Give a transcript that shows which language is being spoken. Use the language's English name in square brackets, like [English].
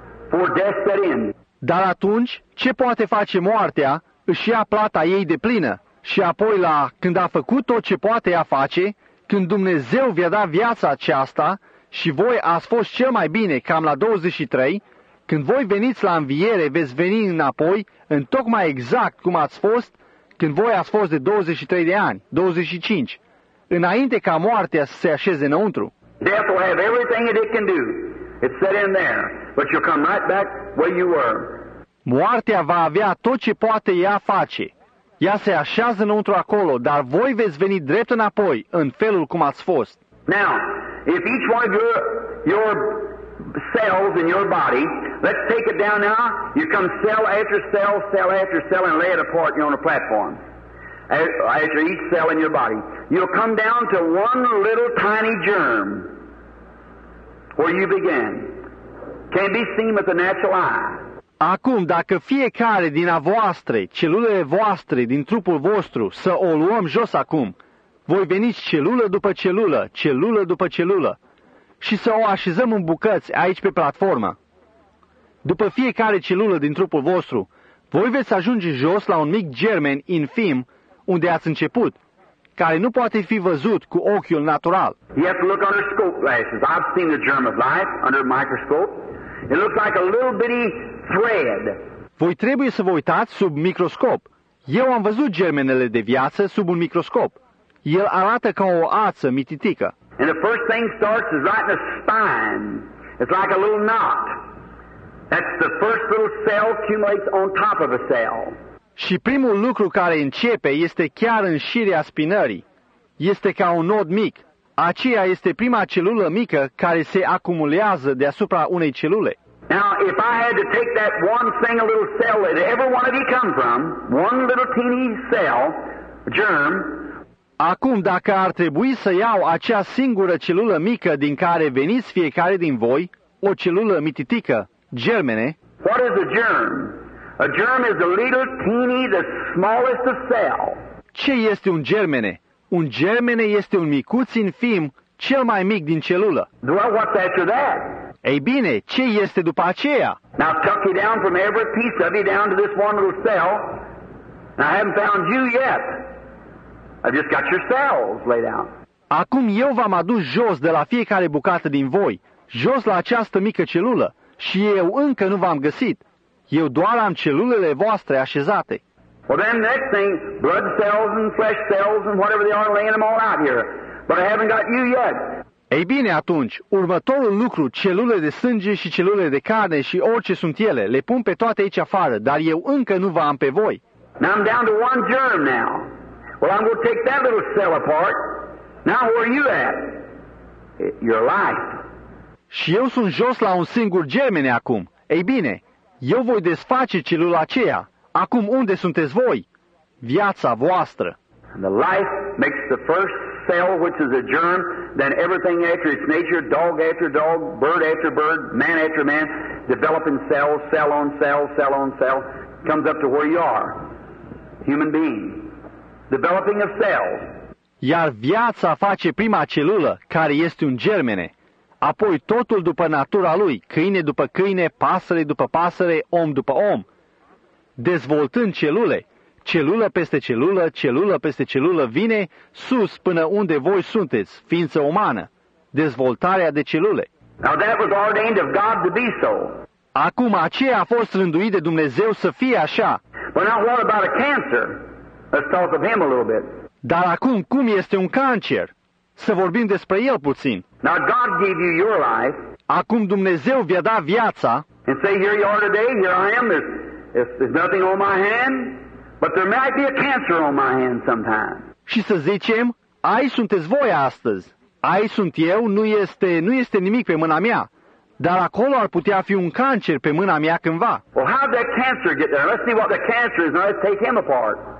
[English] For death set in. [Romanian] Dar atunci, ce poate face moartea? Își ia plata ei de plină. Și apoi la când a făcut tot ce poate ea face, când Dumnezeu vi-a dat viața aceasta și voi ați fost cel mai bine cam la 23, când voi veniți la înviere, veți veni înapoi în tocmai exact cum ați fost când voi ați fost de 23 de ani, 25, înainte ca moartea să se așeze înăuntru. [English] Death will have everything it can do. It's set in there. But you'll come right back where you were. [Romanian] Moartea va avea tot ce poate ea face. Ea se așează înăuntru acolo, dar voi veți veni drept înapoi, în felul cum ați fost. [English] Now, if each one of your cells in your body, let's take it down now, you come cell after cell, cell after cell, and lay it apart on a platform, after each cell in your body. You'll come down to one little tiny germ where you began. Can't be seen with the natural eye. [Romanian] Acum, dacă fiecare din a voastre, celulele voastre, din trupul vostru, să o luăm jos acum, voi veniți celulă după celulă, celulă după celulă, și să o așezăm în bucăți aici pe platformă. După fiecare celulă din trupul vostru, voi veți ajunge jos la un mic germen infim unde ați început, care nu poate fi văzut cu ochiul natural. [English] You have to look under scope lashes. I've seen the germ of life under a microscope. It looks like a little bitty thread. [Romanian] Voi trebuie să vă uitați sub microscop. Eu am văzut germenele de viață sub un microscop. El arată ca o ață mititică. [English] And the first thing starts is right in the spine. It's like a little knot. That's the first little cell accumulates on top of a cell. [Romanian] Și primul lucru care începe este chiar în șirea spinării. Este ca un nod mic. Aceea este prima celulă mică care se acumulează deasupra unei celule. [English] Now, if I had to take that one single little cell that every one of you come from, one little teeny cell, germ. [Romanian] Acum, dacă ar trebui să iau acea singură celulă mică din care veniți fiecare din voi, o celulă mititică, germene. [English] What is a germ? A germ is a little teeny, the smallest of cell. [Romanian] Ce este un germene? Un germene este un micuț infim, cel mai mic din celulă. [English] Well, what's after that? [Romanian] Ei bine, ce este după aceea? [English] Now tuck you down from every piece of you down to this one little cell. And I haven't found you yet. I've just got your cells laid out. [Romanian] Acum eu v-am adus jos de la fiecare bucată din voi, jos la această mică celulă, și eu încă nu v-am găsit. Eu doar am celulele voastre așezate. [English] Well, then next thing, blood cells and flesh cells and whatever they are, laying them all out here. But I haven't got you yet. [Romanian] Ei bine, atunci, următorul lucru, celule de sânge și celule de carne și orice sunt ele, le pun pe toate aici afară, dar eu încă nu vă am pe voi. [English] Now I'm down to one germ now. Well, I'm going to take that little cell apart. Now where are you at? Your life. [Romanian] Și eu sunt jos la un singur germen acum. Ei bine, eu voi desface celula aceea. Acum unde sunteți voi? Viața voastră. [English] The life makes the first cell, which is a germ, then everything after its nature, dog after dog, bird after bird, man after man, developing cells, cell on cell, cell on cell, comes up to where you are, human being, developing of cells. [Romanian] Iar viața face prima celulă, care este un germene. Apoi totul după natura lui, câine după câine, pasăre după pasăre, om după om. Dezvoltând celule, celulă peste celulă, celulă peste celulă vine sus până unde voi sunteți, ființă umană. Dezvoltarea de celule. [English] Now that was ordained of God to be so. [Romanian] Acum aceea a fost rânduit de Dumnezeu să fie așa. [English] But now what about a cancer? Let's talk of him a little bit. [Romanian] Dar acum cum este un cancer? Să vorbim despre el puțin. [English] Now God gave you your life. [Romanian] Acum Dumnezeu vi-a dat viața. [English] And say, here you are today, here I am, there's nothing on my hand, but there might be a cancer on my hand sometime. [Romanian] Și să zicem, aici sunteți voi astăzi, aici sunt eu, nu este nimic pe mâna mea, dar acolo ar putea fi un cancer pe mâna mea cândva. [English] Well, how did that cancer get there? Let's see what the cancer is, now let's take him apart.